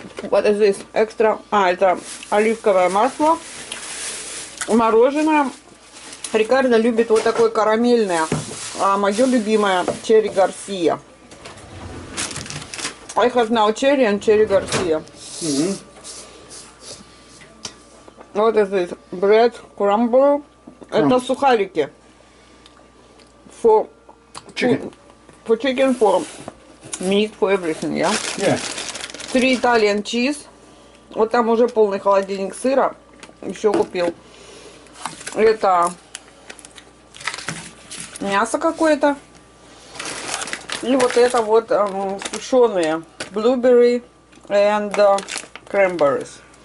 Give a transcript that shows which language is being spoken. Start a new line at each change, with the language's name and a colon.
English: What is this?
Russian: Extra. Это оливковое масло. Мороженое. Рикардо любит вот такое карамельное. А мое любимое Cherry Garcia.
English: I have now cherry and Cherry Garcia. Mm-hmm. What is this? Bread crumble. Yeah.
Russian: Это сухарики.
English: For chicken, for meat, for everything, yeah? Yeah. 3 Italian cheese.
Russian: Вот там уже полный холодильник сыра. Еще купил. Это мясо какое-то. И вот это вот сушеные
English: blueberry and cranberries.